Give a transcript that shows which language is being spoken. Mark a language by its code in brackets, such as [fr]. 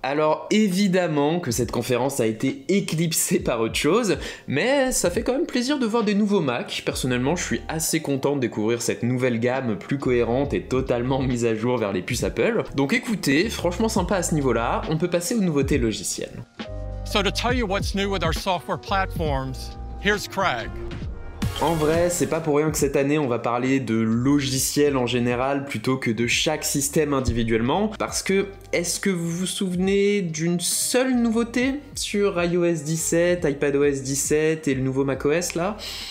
[fr] Alors évidemment que cette conférence a été éclipsée par autre chose, mais ça fait quand même plaisir de voir des nouveaux Mac. Personnellement, je suis assez content de découvrir cette nouvelle gamme plus cohérente et totalement mise à jour vers les puces Apple. Donc écoutez, franchement sympa à ce niveau-là, on peut passer aux nouveautés logicielles. [en] So to tell you what's new with our software platforms, here's Craig. [fr] En vrai, c'est pas pour rien que cette année on va parler de logiciels en général plutôt que de chaque système individuellement, parce que est-ce que vous vous souvenez d'une seule nouveauté sur iOS 17, iPadOS 17 et le nouveau macOS là ?